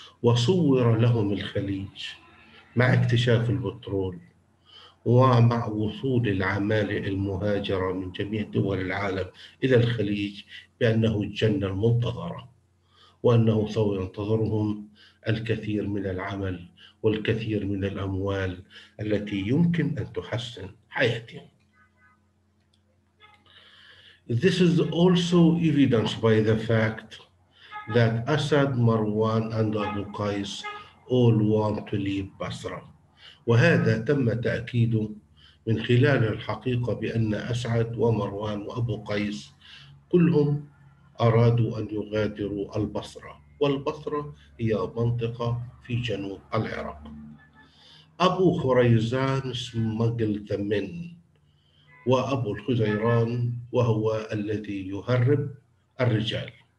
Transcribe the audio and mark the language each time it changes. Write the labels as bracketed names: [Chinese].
[Arabic] وصور لهم الخليج مع اكتشاف البترول ومع وصول العمالة المهاجرة من جميع دول العالم إلى الخليج بأنه الجنة المنتظرة، وأنه سوف ينتظرهم الكثير من العمل والكثير من الأموال التي يمكن أن تحسن حياتهم. [English] This is also evidenced by the fact that Assad, Marwan, and Abu Qais all want to leave Basra. [Arabic] وهذا تم تأكيده من خلال الحقيقة بأن أسعد ومروان وأبو قيس كلهم أرادوا أن يغادروا البصرة، والبصرة هي منطقة في جنوب العراق. أبو خريزان [English] smuggled the men. [Arabic] وأبو الخزيران وهو الذي يهرب الرجال.